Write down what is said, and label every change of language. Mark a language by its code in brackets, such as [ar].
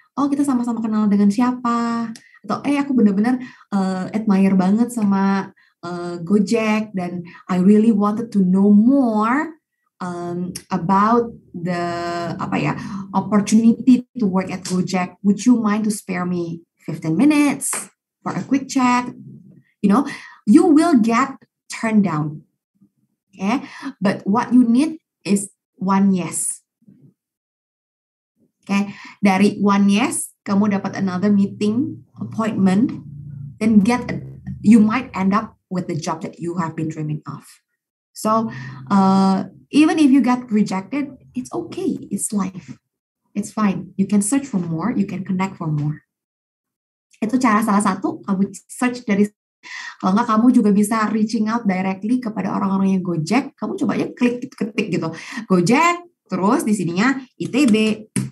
[id] Oh, kita sama-sama kenal dengan siapa. Atau, aku benar-benar admire banget sama Gojek. [en] Dan I really wanted to know more about the opportunity to work at Gojek. Would you mind to spare me 15 minutes? For a quick chat, you know, you will get turned down. Okay? But what you need is one yes. Okay? Dari one yes, [id] kamu dapat [en] another meeting, appointment, then you might end up with the job that you have been dreaming of. So, even if you get rejected, it's okay. It's life. It's fine. You can search for more. You can connect for more. [id] Itu cara salah satu, kamu search dari, kalau enggak kamu juga bisa [en] reaching out directly [id] kepada orang-orang yang Gojek, kamu coba aja klik, ketik gitu, Gojek, terus di sininya ITB.